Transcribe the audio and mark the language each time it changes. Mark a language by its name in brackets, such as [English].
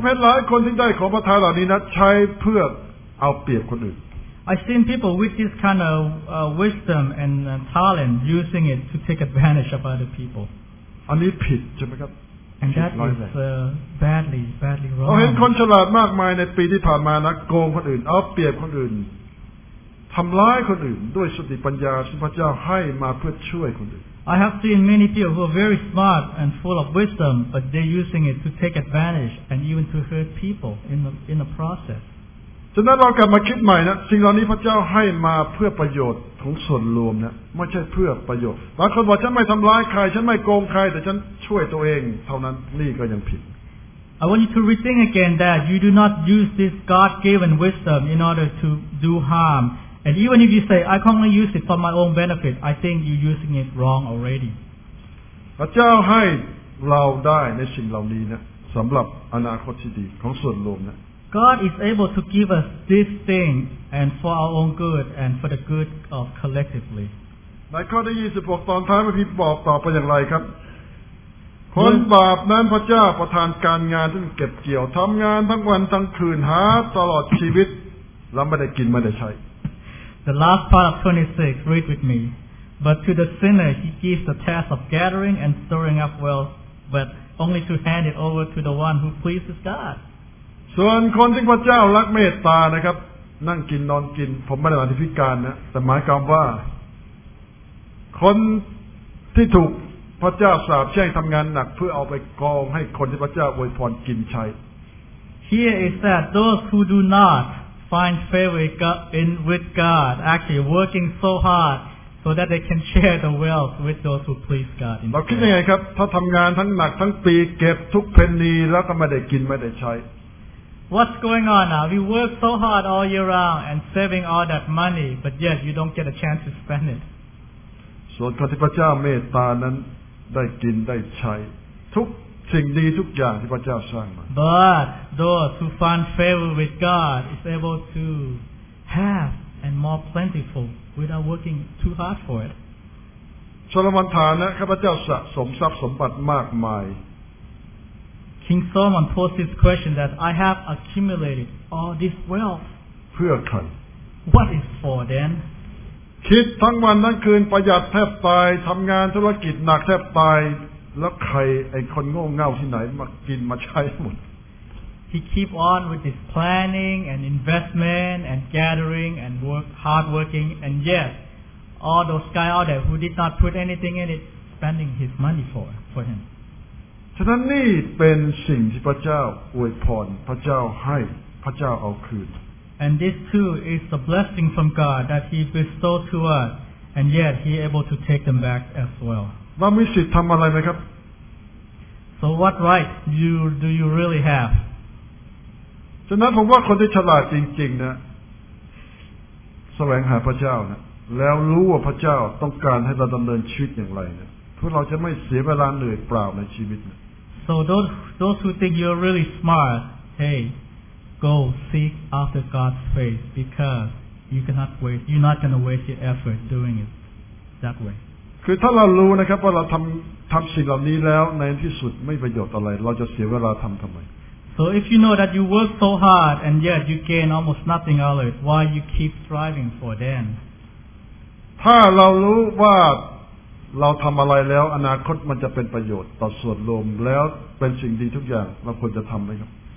[Thai] ผมเห็นหลายคนที่ได้ของประธานเหล่านี้นะใช้เพื่อเอาเปรียบคนอื่น [English] I've seen people with this kind of wisdom and talent using it to take advantage of other people [Thai] อันนี้ผิดใช่ไหมครับ [English] And that is badly wrong. [Thai] เราเห็นคนฉลาดมากมายในปีที่ผ่านมานะโกงคนอื่นเอาเปรียบคนอื่นทำร้ายคนอื่นด้วยสติปัญญาที่พระเจ้าให้มาเพื่อช่วยคนอื่น [English] I have seen many people who are very smart and full of wisdom, but they're using it to take advantage and even to hurt people in the process. [Thai] ฉะนั้นเรากลับมาคิดใหม่นะสิ่งเหล่านี้พระเจ้าให้มาเพื่อประโยชน์ของส่วนรวมนะไม่ใช่เพื่อประโยชน์บางคนบอกฉันไม่ทำร้ายใครฉันไม่โกงใครแต่ฉันช่วยตัวเองเท่านั้นนี่ก็ยังผิด [English] I want you to rethink again that you do not use this God-given wisdom in order to do harm and even if you say I can only use it for my own benefit I think you're using it wrong already [Thai] พระเจ้าให้เราได้ในสิ่งเหล่านี้นะสำหรับอนาคตที่ดีของส่วนรวมนะ [English] God is able to give us this thing and for our own good and for the good of collectively. [Thai] ในข้อที่26ตอนท้ายพระคัมภีร์บอกต่อไปอย่างไรครับคนบาปนั้นพระเจ้าประทานการงานซึ่งเก็บเกี่ยวทำงานทั้งวันทั้งคืนหาตลอดชีวิตแล้วไม่ได้กินไม่ได้ใช้ [English] The last part of 26, read with me. But to the sinner he gives the task of gathering and storing up wealth, but only to hand it over to the one who pleases God. [Thai] ส่วนคนที่พระเจ้ารักเมตตานะครับนั่งกินนอนกินผมไม่ได้หมายถึงพิการนะแต่หมายความว่าคนที่ถูกพระเจ้าสาปแช่งทำงานหนักเพื่อเอาไปกองให้คนที่พระเจ้าอวยพรกินใช้ [English] Here is that those who do not find favor in with God actually working so hard so that they can share the wealth with those who please God [Thai] เราคิดยังไงครับถ้าทำงานทั้งหนักทั้งปีเก็บทุกเพนนีแล้วก็ไม่ได้กินไม่ได้ใช้ [English] What's going on now? We work so hard all year round and saving all that money, but yet you don't get a chance to spend it. [Thai] ส่วนข้าพเจ้าเมตตานั้นได้กินได้ใช้ทุกสิ่งดีทุกอย่างที่พระเจ้าสร้างมา [English] But those who find favor with God is able to have and more plentiful without working too hard for it. [Thai] โซโลมอนฐานะข้าพเจ้าสะสมทรัพย์สมบัติมากมาย [English] King Solomon posed this question that I have accumulated all this wealth. [Thai] เพื่อใคร [English] What is for then? [Thai] คิดทั้งวันทั้งคืนประหยัดแทบตายทำงานธุรกิจหนักแทบตายแล้วใครไอ้คนโง่เง่าที่ไหนมากินมาใช้หมด [English] He keep on with his planning and investment and gathering and work hard working and yet all those guys out there who did not put anything in it spending his money for him. [Thai] ฉะนั้นนี่เป็นสิ่งที่พระเจ้าอวยพรพระเจ้าให้พระเจ้าเอาคืน [English] And this too is a blessing from God that He bestowed to us, and yet He able to take them back as well. [Thai] เรามีสิทธิ์ทำอะไรไหมครับ [English] So what right do you really have? [Thai] ฉะนั้นผมว่าคนที่ฉลาดจริงๆนะแสวงหาพระเจ้านะแล้วรู้ว่าพระเจ้าต้องการให้เราดำเนินชีวิตอย่างไรนะพวกเราจะไม่เสียเวลาเหนื่อยเปล่าในชีวิต [English] So those who think you're really smart, hey, go seek after God's face because you cannot waste. You're not going to waste your effort doing it that way. [Thai] คือถ้าเรารู้นะครับว่าเราทำสิ่งเหล่านี้แล้วในที่สุดไม่ประโยชน์อะไรเราจะเสียเวลาทำไม [English] So if you know that you work so hard and yet you gain almost nothing out of it, why you keep striving for then? [Thai] ถ้าเรารู้ว่าเราทำอะไรแล้วอนาคตมันจะเป็นประโยชน์ต่อส่วนรวมแล้วเป็นสิ่งดีทุกอย่างเราควรจะทำไหมครับ